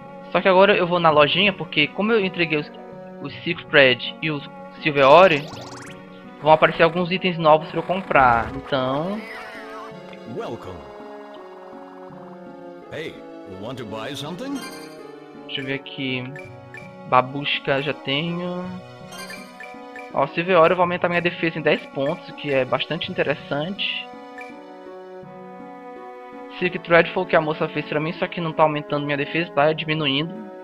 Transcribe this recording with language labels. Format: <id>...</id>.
<pt>Só que agora eu vou na lojinha, porque como eu entreguei os Silk Thread e os Silver Ore, vão aparecer alguns itens novos para eu comprar.</pt> <en>Então, hey, want to buy something?</en> <pt>Deixa eu ver aqui. Babushka já tenho. Ó, Silver Ore, eu vou aumentar minha defesa em 10 pontos, que é bastante interessante. Silk Thread foi o que a moça fez para mim, só que não tá aumentando minha defesa, tá diminuindo.</pt>